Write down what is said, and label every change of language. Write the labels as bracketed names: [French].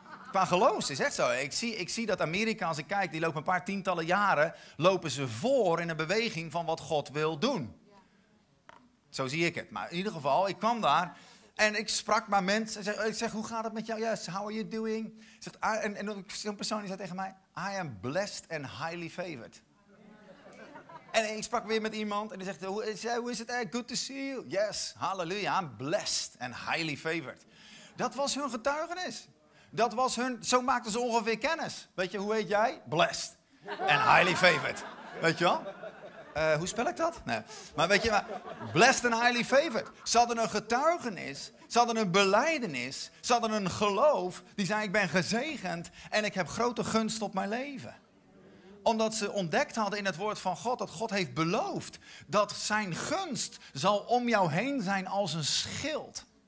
[Dutch] Qua geloof, is echt zo. Ik zie dat Amerika, als ik kijk, die lopen een paar tientallen jaren, lopen ze voor in een beweging van wat God wil doen. Zo zie ik het. Maar in ieder geval, ik kwam daar en ik sprak met mensen. Ik zeg, hoe gaat het met jou? [English] Yes, how are you doing? [Dutch] En zo'n persoon die zei tegen mij, [English] I am blessed and highly favored. [Dutch] En ik sprak weer met iemand en die zegt, hoe is het? [English] Good to see you. Yes, hallelujah, I'm blessed and highly favored. [Dutch] Dat was hun getuigenis. Dat was hun, zo maakten ze ongeveer kennis. Weet je, hoe heet jij? [English] Blessed and highly favored. [Dutch] Weet je wel? Hoe spel ik dat? Nee. Maar weet je, [English] blessed and highly favored. [Dutch] Ze hadden een getuigenis, ze hadden een belijdenis, ze hadden een geloof. Die zei, ik ben gezegend en ik heb grote gunst op mijn leven. Omdat ze ontdekt hadden in het woord van God, dat God heeft beloofd dat zijn gunst zal om jou heen zijn als een schild.